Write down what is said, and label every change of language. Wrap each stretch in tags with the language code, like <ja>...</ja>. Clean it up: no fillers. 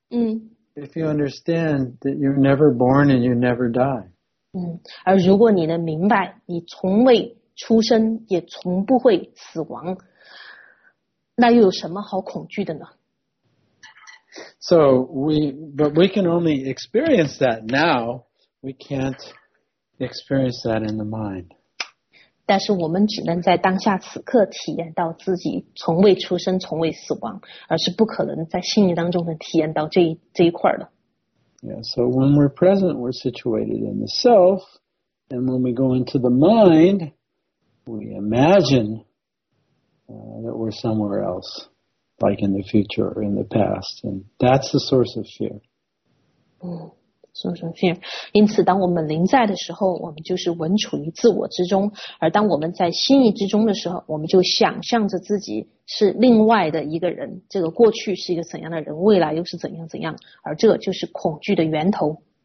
<en>If you understand that you're never born and you never die.</en> <zh>而如果你能明白，你从未出生，也从不会死亡，那又有什么好恐惧的呢？</zh> <en>So we can only experience that now. We can't. Experience that in the mind.</en> <zh>但是我们只能在当下此刻体验到自己从未出生从未死亡，而是不可能在心灵当中能体验到这一块的。</zh> <en>Yeah, so when we're present, we're situated in the self, and when we go into the mind, we imagine, that we're somewhere else, like in the future or in the past, and that's the source of fear. Social fear.</en> <zh>因此当我们临在的时候，我们就是稳处于自我之中，而当我们在心意之中的时候，我们就想象着自己是另外的一个人，这个过去是一个怎样的人，未来又是怎样怎样，而这就是恐惧的源头。</zh>